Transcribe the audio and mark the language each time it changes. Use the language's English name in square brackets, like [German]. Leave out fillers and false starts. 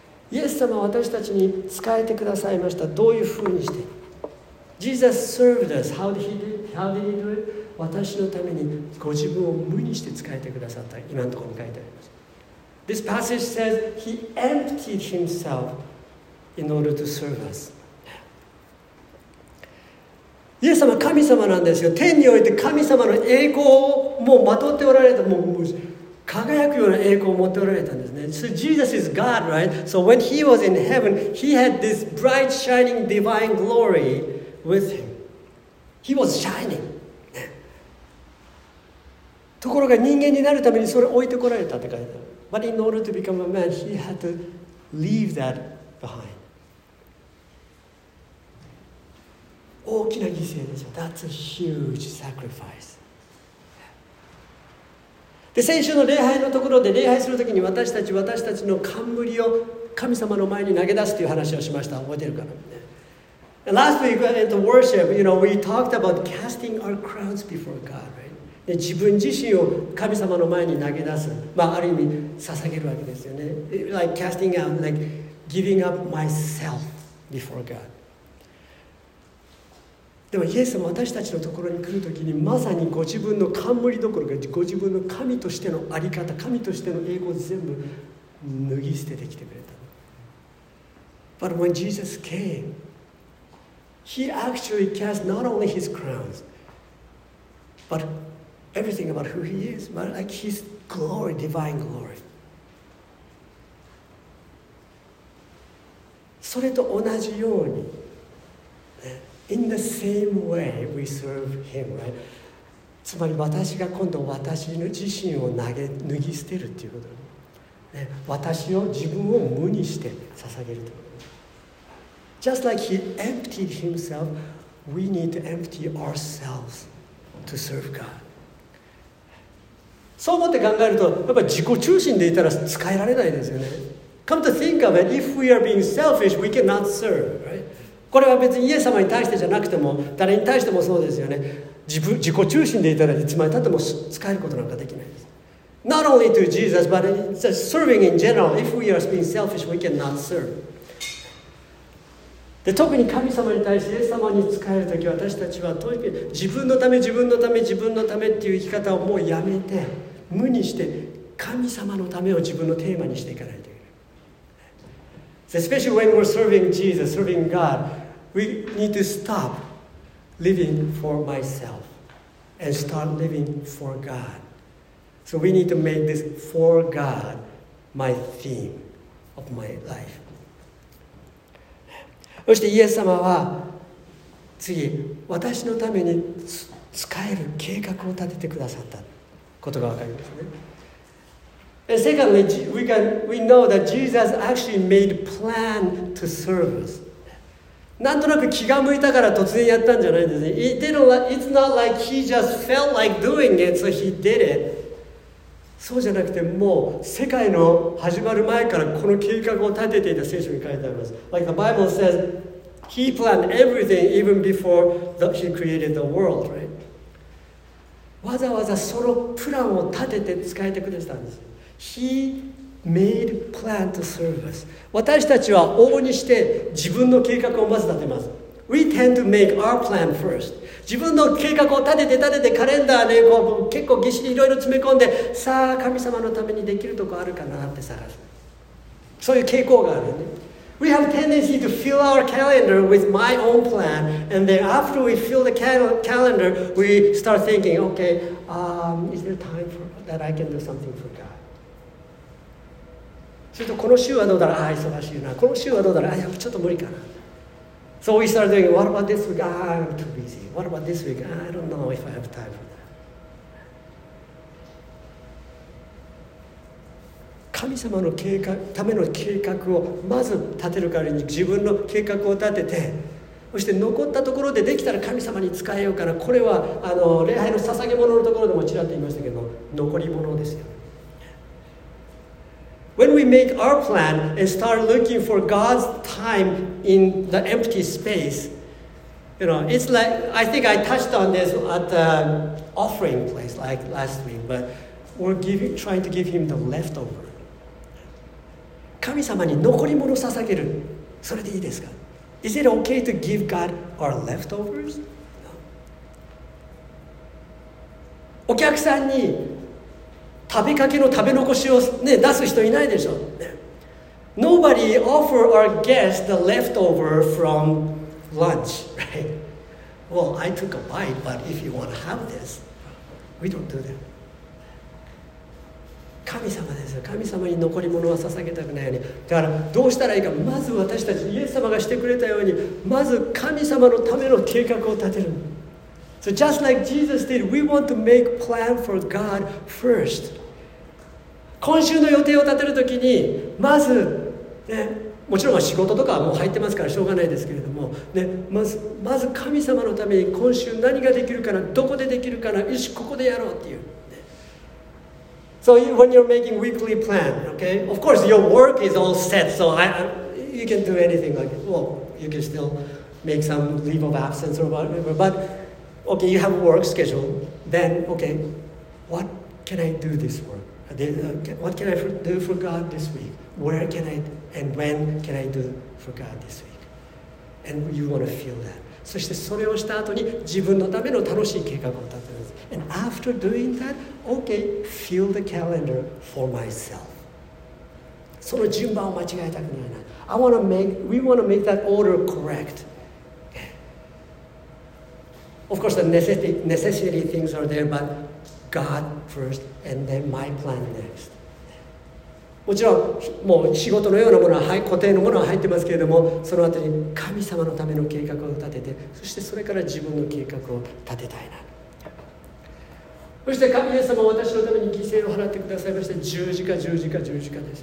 [Japanese] イエス様は私たちに仕えてくださいました。どういうふうにして? [English] Jesus served us. How did he do it? [Japanese] 私のためにご自分を無にして仕えてくださった。今のところに書いてあります。 [English] This passage says he emptied himself in order to serve us. [Japanese] イエス様は神様なんですよ。天において神様の栄光をもうまとっておられた、もう輝くような栄光を持っておられたんですね。 [English] So Jesus is God, right? So when he was in heaven, he had this bright shining divine glory with him. He was shining. [Japanese] ところが人間になるためにそれを置いてこられたって書いてある。 [English] But in order to become a man, he had to leave that behind. [Japanese] 大きな犠牲ですよ。 [English] That's a huge sacrifice. [Japanese] で、先週の礼拝のところで礼拝するときに私たちの冠を神様の前に投げ出すという話をしました。覚えてるかな? [English] And last week at the worship, you know, we talked about casting our crowns before God, right? [Japanese] で自分自身を神様の前に投げ出す、まあ、ある意味捧げるわけですよね。 [English] Like casting out, like giving up myself before God. [Japanese] でもイエスも私たちのところに来るときにまさにご自分の冠どころかご自分の神としての在り方、神としての栄光を全部脱ぎ捨ててきてくれた。 [English] But when Jesus came, he actually cast not only his crowns, butEverything about who he is, but like his glory, divine glory. [Japanese] それと同じように、 [English] in the same way we serve him, right? [Japanese] つまり私が今度私の自身を投げ脱ぎ捨てるっていうこと、ね、私を自分を無にして捧げるということ。 [English] Just like he emptied himself, we need to empty ourselves to serve God. [Japanese] そう思って考えるとやっぱり自己中心でいたら使えられないですよね。 [English] Come to think of it, if we are being selfish, we cannot serve, right? [Japanese] これは別にイエス様に対してじゃなくても誰に対してもそうですよね。自己中心でいたらいつまでたっても使えることなんかできないです。 [English] Not only to Jesus, but it's just serving in general. If we are being selfish, we cannot serve. [Japanese] で特に神様に対してイエス様に使えるとき私たちは自分のため自分のため自分のためっていう生き方をもうやめて無にして神様のためを自分のテーマにしていかないといけない。 [English] Especially when we're serving Jesus, serving God, we need to stop living for myself and start living for God. So we need to make this for God my theme of my life. [Japanese] そしてイエス様は次私のために使える計画を立ててくださったことがわかりますね。 [English] And secondly, we know that Jesus actually made plan to serve us. [Japanese] なんとなく気が向いたから突然やったんじゃないんですね。 [English] It's not like he just felt like doing it, so he did it. [Japanese] そうじゃなくてもう世界の始まる前からこの計画を立てていた聖書に書いてあります。 [English] Like the Bible says, he planned everything even before he created the world, right? [Japanese] わざわざそのプランを立てて使えてくれたんです。 [English] He made plan to serve us. [Japanese] 私たちは往々にして自分の計画をまず立てます。 [English] We tend to make our plan first. [Japanese] 自分の計画を立ててカレンダーでこう結構ぎっしりいろいろ詰め込んでさあ神様のためにできるとこあるかなって探す。そういう傾向があるね。 [English] We have a tendency to fill our calendar with my own plan and then after we fill the calendar, we start thinking, okay, is there time for that I can do something for God? [Japanese] するとこの週はどうだろう、ああ忙しいな。この週はどうだろう、ああちょっと無理かな。 [English] So we started doing, what about this week? Ah, I'm too busy. What about this week? I don't know if I have time for that. [Japanese] 神様の計画ための計画をまず立てる代わりに自分の計画を立てて、そして残ったところでできたら神様に使えようかな。これはあの礼拝の捧げ物のところでもちらっと言いましたけど、残り物ですよ。 [English] When we make our plan and start looking for God's time in the empty space, you know, it's like, I think I touched on this at the offering place like last week, but we're giving, trying to give him the leftover. [Japanese] 神様に残り物を捧げる。それでいいですか? [English] Is it okay to give God our leftovers? [Japanese] お客さんに食べかけの食べ残しを、ね、出す人いないでしょ、ね、 [English] Nobody offer our guests the leftover from lunch, right? Well, I took a bite, but if you want to have this, we don't do that. [Japanese] 神様ですよ。神様に残り物は捧げたくないように。だからどうしたらいいか。まず私たち、イエス様がしてくれたように、まず神様のための計画を立てる。 [English] So just like Jesus did, we want to make plan for God first. [Japanese] 今週の予定を立てるときに、まず、ね、もちろん仕事とかはもう入ってますからしょうがないですけれども、ね、まず神様のために今週何ができるかな、どこでできるかな、よし、ここでやろうっていう。ね、 [English] so you, when you're making weekly plan, okay? Of course, your work is all set, so you can do anything like, well, you can still make some leave of absence or whatever, but... Okay, you have a work schedule. Then, okay, what can I do this work? What can I do for God this week? Where can I, and when can I do for God this week? And you want to feel that. [Japanese] そしてそれをした後に自分のための楽しい計画を立てます。 [English] And after doing that, okay, fill the calendar for myself. [Japanese] その順番を間違えたくないな。 [English] We want to make that order correct. Of course, the necessary things are there, but God first, and then my plan next. [Japanese] もちろん、もう仕事のようなものは固定のものは入ってますけれども、その後に神様のための計画を立てて、そしてそれから自分の計画を立てたいな。そして神様は私のために犠牲を払ってくださいまして、十字架ですよね。